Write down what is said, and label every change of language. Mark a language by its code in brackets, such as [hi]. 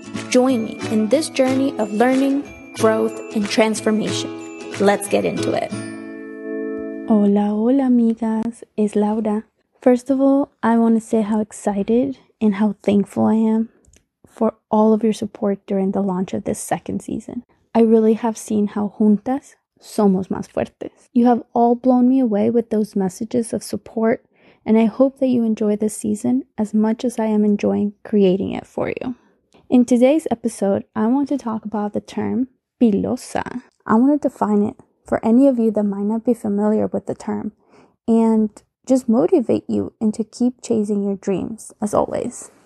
[en] Join me in this journey of learning, growth, and transformation. Let's get into it. [es] Hola, hola, amigas. Es Laura. [en] First of all, I want to say how excited and how thankful I am for all of your support during the launch of this second season. I really have seen how [es] juntas somos más fuertes. [en] You have all blown me away with those messages of support, and I hope that you enjoy this season as much as I am enjoying creating it for you. In today's episode, I want to talk about the term pilosa. I want to define it for any of you that might not be familiar with the term and just motivate you into keep chasing your dreams, as always.